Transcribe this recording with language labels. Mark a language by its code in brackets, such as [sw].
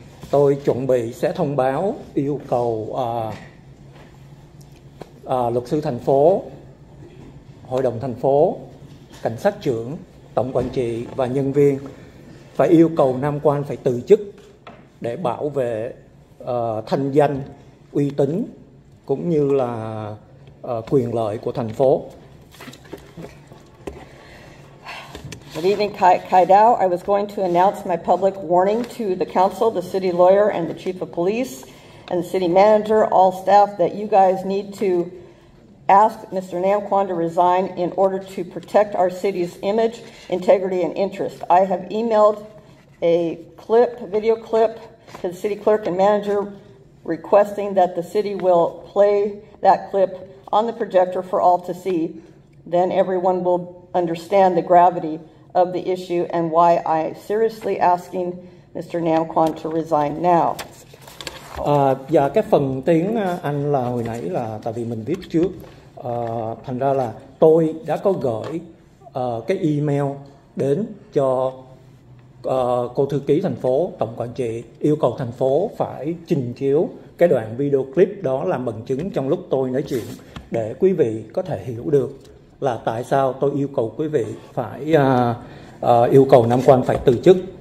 [vi] Tôi chuẩn bị sẽ thông báo yêu cầu luật sư thành phố, hội đồng thành phố, cảnh sát trưởng, tổng quản trị và nhân viên phải yêu cầu Nam Quang phải từ chức để bảo vệ thanh danh, uy tín cũng như là quyền lợi của thành phố. [en] Good evening, Kai Dao. I was going to announce my public warning to the council, the city lawyer and the chief of police and the city manager, all staff, that you guys need to ask Mr. Nam Quan to resign in order to protect our city's image, integrity, and interest. I have emailed a video clip, to the city clerk and manager requesting that the city will play that clip on the projector for all to see. Then everyone will understand the gravity of the issue and why I am seriously asking Mr. Nam Quan to resign now. [vi] Dạ, cái phần tiếng anh là hồi nãy là tại vì mình viết trước. Thành ra là tôi đã có gửi cái email đến cho cô thư ký thành phố, tổng quản trị, yêu cầu thành phố phải trình chiếu cái đoạn video clip đó làm bằng chứng trong lúc tôi nói chuyện để quý vị có thể hiểu được là tại sao tôi yêu cầu quý vị phải yêu cầu Nam Quan phải từ chức.